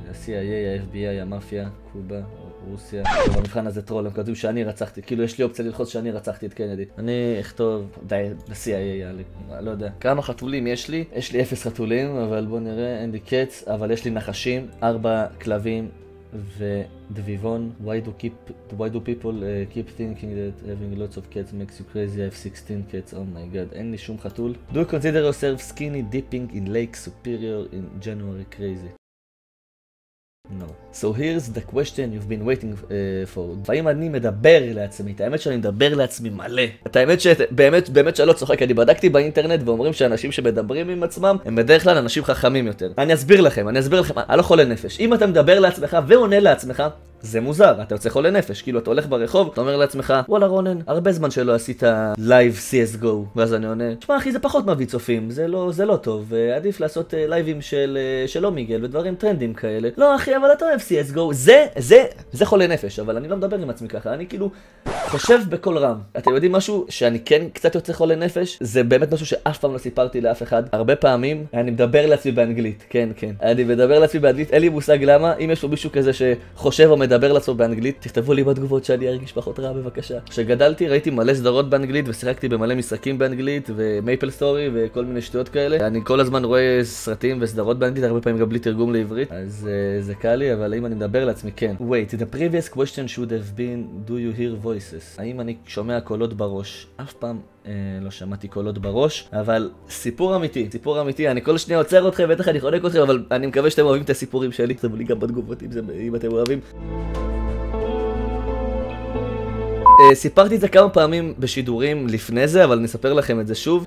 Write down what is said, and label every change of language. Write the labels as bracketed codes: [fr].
[he] ה-CIA, ה-FBI, המאפיה, קובה, רוסיה. במבחן הזה טרול, הם כתבו שאני רצחתי. כאילו יש לי אופציה ללחוץ שאני רצחתי את קנדי. אני אכתוב, די, ה-CIA, יאללה. לא יודע. כמה חתולים יש לי? יש לי אפס חתולים, אבל בוא נראה, אין לי קץ, אבל יש לי נחשים, ארבע כלבים ודביבון. [en] Why do people keep thinking that having lots of cats makes you crazy? I have 16 cats. Oh my god, [he] אין לי שום חתול. [en] Do you consider yourself skinny dipping in Lake Superior in January crazy? No. So here's the question you've been waiting for. [he] האם אני מדבר לעצמי? את האמת שאני מדבר לעצמי מלא. את האמת שבאמת, באמת שאני לא צוחק. אני בדקתי באינטרנט ואומרים שאנשים שמדברים עם עצמם הם בדרך כלל אנשים חכמים יותר. אני אסביר לכם. אני לא חולה נפש. אם אתה מדבר לעצמך ועונה לעצמך, זה מוזר, אתה יוצא חולה נפש, כאילו אתה הולך ברחוב, אתה אומר לעצמך, וואלה רונן, הרבה זמן שלא עשית לייב CSGO, ואז אני עונה, שמע אחי זה פחות מביא צופים, זה לא טוב, ועדיף לעשות לייבים של אומיגל ודברים טרנדים כאלה, לא אחי אבל אתה אוהב CSGO, זה חולה נפש, אבל אני לא מדבר עם עצמי ככה, אני כאילו חושב בכל רם, אתם יודעים משהו שאני כן קצת יוצא חולה נפש, זה באמת משהו שאף פעם לא סיפרתי לאף אחד, הרבה פעמים אני מדבר לעצמי באנגלית, כן, אני מדבר לעצמי באנגלית, אין לי מושג למה, אם יש פה מישהו כזה שחושב עומד לדבר לעצמו באנגלית, תכתבו לי בתגובות שאני ארגיש פחות רע בבקשה. כשגדלתי ראיתי מלא סדרות באנגלית ושיחקתי במלא משחקים באנגלית ומייפל סטורי וכל מיני שטויות כאלה. אני כל הזמן רואה סרטים וסדרות באנגלית, הרבה פעמים גם בלי תרגום לעברית. אז זה קל לי, אבל האם אני מדבר לעצמי? כן. [en] Wait, the previous question should have been, do you hear voices? [he] האם אני שומע קולות בראש? אף פעם לא שמעתי קולות בראש, אבל סיפור אמיתי, אני כל שנייה עוצר אתכם, בטח אני חונק אתכם, אבל אני מקווה שאתם אוהבים את הסיפורים שלי, תכתבו לי גם בתגובות אם אתם אוהבים. סיפרתי את זה כמה פעמים בשידורים לפני זה, אבל אני אספר לכם את זה שוב.